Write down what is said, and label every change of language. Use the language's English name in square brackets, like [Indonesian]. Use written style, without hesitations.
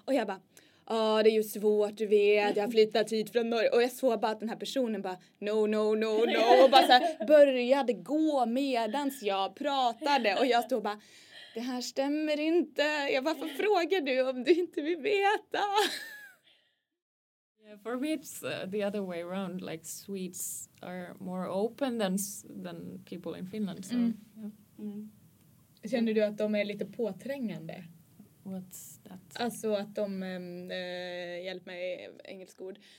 [Swedish] Och jag bara, det är ju svårt, du vet, jag har flyttat hit från Norge. Och jag såg bara att den här personen bara, no, och bara så här, började gå medans jag pratade. Och jag stod bara, det här stämmer inte. Jag bara, varför frågar du om du inte vill veta? [English] Yeah, for me it's the other way around. Like Swedes are more open than people in Finland. So. Mm. Yeah. Mm. [Swedish] Känner du att de är lite påträngande? [English] What's that? [Swedish] Alltså att de, hjälp mig, engelsk ord.